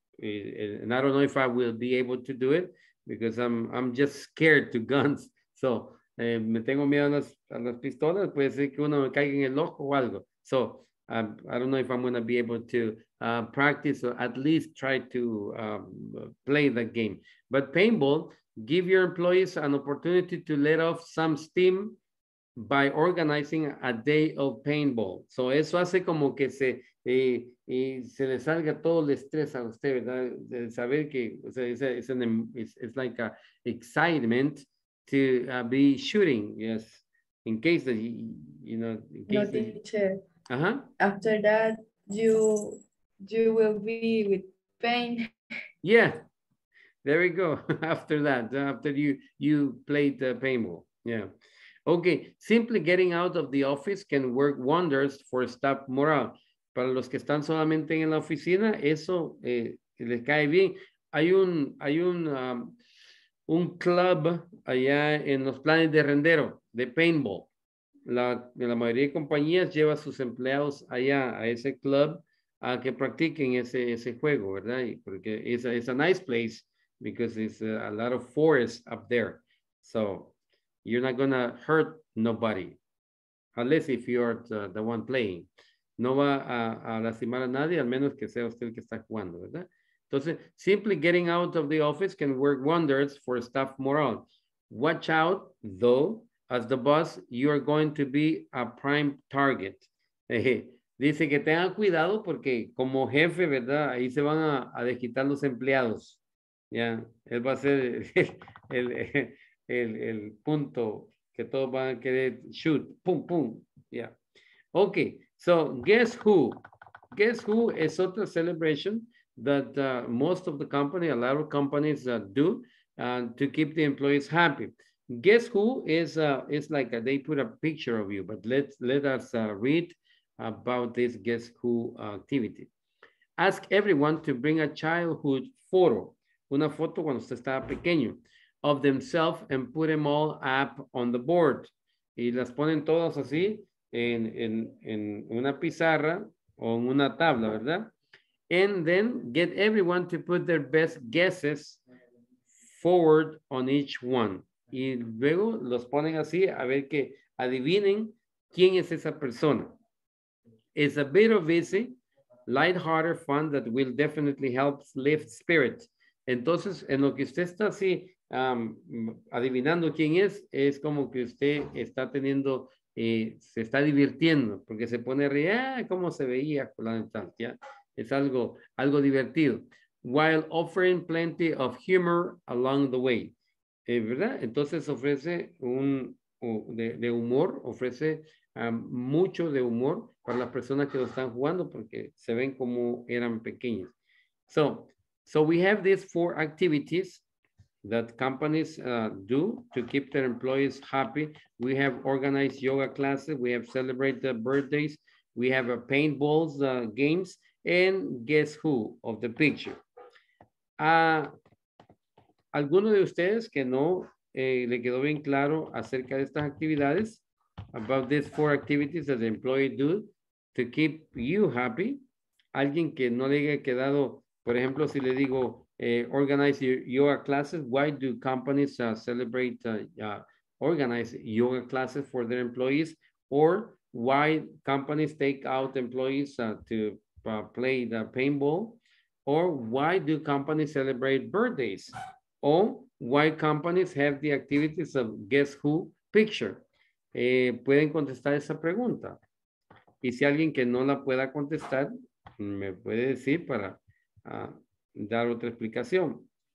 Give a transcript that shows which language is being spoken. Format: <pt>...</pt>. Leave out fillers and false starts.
<en>And I don't know if I will be able to do it because I'm just scared to guns.</en> <es>So, me tengo miedo a las pistolas. Puede ser que uno me caiga en el ojo o algo.</es> <en>So, I don't know if I'm going to be able to practice or at least try to play the game. But paintball, give your employees an opportunity to let off some steam by organizing a day of paintball.</en> <es>So eso hace como que se le salga todo el estrés a usted, ¿verdad? De saber que</es> <en>it's like a excitement to be shooting. Yes, in case that you know, in case no teacher. After that, you will be with pain. Yeah, there we go. After that, after you played the paintball. Yeah. Okay, simply getting out of the office can work wonders for staff morale.</en> <es>Para los que están solamente en la oficina, eso les cae bien. Hay un club allá en los planes de rendero, de paintball. La mayoría de compañías lleva a sus empleados allá, a ese club, a que practiquen ese juego, ¿verdad? Porque</es> <en>it's a nice place, because it's a lot of forest up there. So, you're not going to hurt nobody, unless if you are the one playing.</en> <es>No va a lastimar a nadie, al menos que sea usted el que está jugando, ¿verdad? Entonces,</es> <en>simply getting out of the office can work wonders for staff morale. Watch out, though, as the boss, you are going to be a prime target.</en> <es>Dice que tengan cuidado porque como jefe, ¿verdad? Ahí se van a desquitar los empleados. Ya, él va a ser el punto que todos van a querer shoot. Pum, pum. Ya. Yeah.</es> <en>Ok, so guess who? Guess who is</en> <es>otra</es> <en>celebration that most of the company, a lot of companies do to keep the employees happy. Guess who is like a, they put a picture of you, but let us read about this guess who activity. Ask everyone to bring a childhood photo,</en> <es>una foto cuando usted estaba pequeño,</es> <en>of themselves and put them all up on the board.</en> <es>Y las ponen todas así en una pizarra o en una tabla, ¿verdad?</es> <en>And then get everyone to put their best guesses forward on each one.</en> <es>Y luego los ponen así a ver que adivinen quién es esa persona.</es> <en>It's a bit of easy, lighthearted fun that will definitely help lift spirits.</en> <es>Entonces, en lo que usted está así adivinando quién es como que usted está teniendo, se está divirtiendo, porque se pone a reír, cómo se veía por la ventana, ¿ya? Es algo divertido.</es> <en>While offering plenty of humor along the way.</en> <es>¿Verdad? Entonces ofrece de humor, ofrece mucho de humor para las personas que lo están jugando porque se ven como eran pequeños.</es> <en>So we have these four activities that companies do to keep their employees happy. We have organized yoga classes. We have celebrated birthdays. We have a paintballs games. And guess who of the picture?</en> <es>¿Alguno de ustedes que no le quedó bien claro acerca de estas actividades?</es> <en>About these four activities that the employee do to keep you happy.</en> <es>¿Alguien que no le haya quedado, por ejemplo, si le digo</es> <en>organize yoga classes? Why do companies celebrate, organize yoga classes for their employees? Or why companies take out employees to play the paintball? Or why do companies celebrate birthdays? Or why companies have the activities of guess who picture?</en> <es>Pueden contestar esa pregunta. Y si alguien que no la pueda contestar, me puede decir para dar otra explicación.</es>